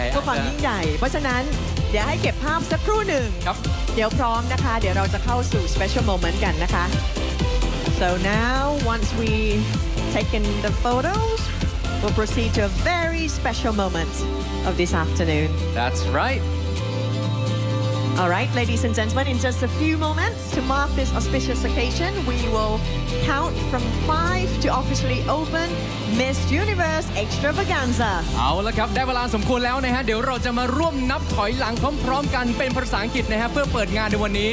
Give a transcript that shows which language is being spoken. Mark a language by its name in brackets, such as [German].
[Thai] เพื่อความยิ่งใหญ่เพราะฉะนั้นเดี๋ยวให้เก็บภาพสักครู่หนึ่ง ครับ เดี๋ยวพร้อมนะคะเดี๋ยวเราจะเข้าสู่ special moment กันนะคะ [English] So now once we taken the photos we'll proceed to a very special moment of this afternoon That's right All right ladies and gentlemen in just a few moments to mark this auspicious occasion we will count from 5 to officially open Miss Universe Extravaganza [Thai] เอาละครับได้เวลาสมควรแล้วนะฮะเดี๋ยวเราจะมาร่วมนับถอยหลังพร้อมๆกันเป็นภาษาอังกฤษนะฮะเพื่อเปิดงานในวันนี